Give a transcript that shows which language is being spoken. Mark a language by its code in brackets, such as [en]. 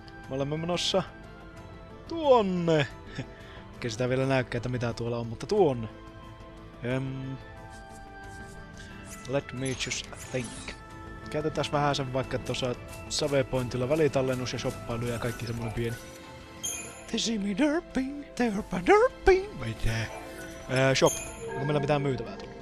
[fi] Me olemme menossa tuonne. Okei, sitä vielä näykkää, että mitä tuolla on, mutta tuonne. [en] Let me just think. [fi] Käytetään vähän sen vaikka tuossa savepointilla välitallennus ja shoppailu ja kaikki semmoinen pieni. [en] They see me derping, derping. [fi] Mitä? Shop. Onko meillä mitään myytävää?